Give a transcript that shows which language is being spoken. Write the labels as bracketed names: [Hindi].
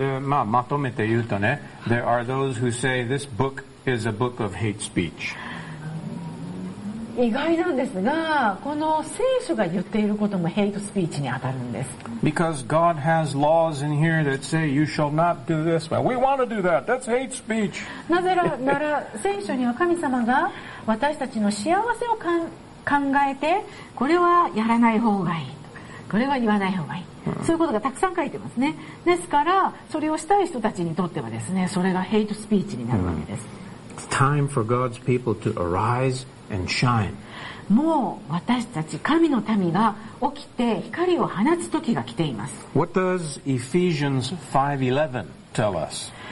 [English] And, [Japanese] まとめて言うとね、 [English] There are those who say this book is a book of hate speech. [Japanese] 意外なんですが、この聖書が言っていることもヘイトスピーチに当たるんです。 [English] Because God has laws in here that say you shall not do this. But we want to do that. That's hate speech. [Japanese] なぜなら聖書には神様が私たちの幸せを考えて、これはやらない方がいい、これは言わない方がいい、そういうことがたくさん書いてますね。ですからそれをしたい人たちにとってはですね、それがヘイトスピーチになるわけです。 [English] time for God's people to arise and shine. [Japanese] もう私たち神の民が起きて光を放つ時が来ています。 [English] What does Ephesians 5:11 tell us?